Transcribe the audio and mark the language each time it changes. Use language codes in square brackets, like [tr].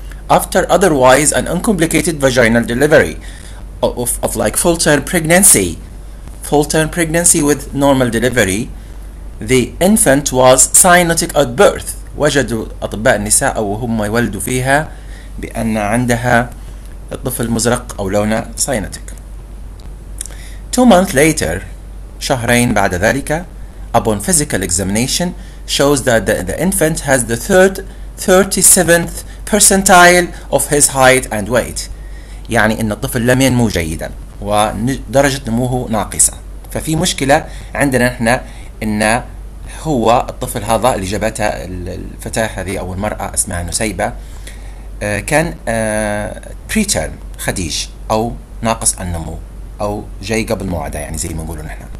[en] After otherwise an uncomplicated vaginal delivery of like full term pregnancy. Full term pregnancy with normal delivery. The infant was cyanotic at birth. [ar] وجدوا أطباء النساء أو هم يولدوا فيها بأن عندها الطفل مزرق أو لونه cyanotic. [en] 2 months later, [ar] شهرين بعد ذلك, [en] upon physical examination shows that the infant has the 37th percentile of his height and weight. [ar] يعني ان الطفل لم ينمو جيدا ودرجة نموه ناقصة. ففي مشكلة عندنا احنا ان هو الطفل هذا اللي جابته الفتاة هذه او المرأة اسمها نسيبة كان preterm خديج او ناقص النمو او جاي قبل موعده، يعني زي ما نقوله نحن.